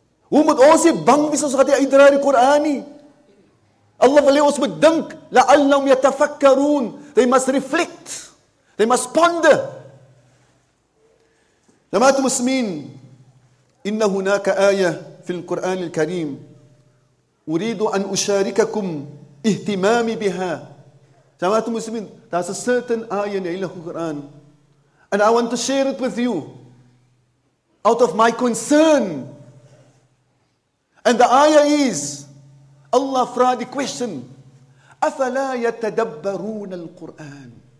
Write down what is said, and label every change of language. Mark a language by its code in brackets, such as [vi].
[af] Hoe moet ons hier bang wees, ons gaat hier uitdra die Koran nie? Allah wil hier, ons moet dink, [ar] لَعَلَّهُمْ يَتَفَكَّرُونَ, [en] they must reflect, they must ponder. [ar] جماعت المسلمين, إن هناك آية في القرآن الكريم أريد أن أشارككم اهتمامي بها [en] Jamaatul Muslimin, there's a certain ayah in the Quran, and I want to share it with you out of my concern. And the ayah is, Allah fraud the question, [ar] أَفَلَا يَتَدَبَّرُونَ الْقُرْآنَ.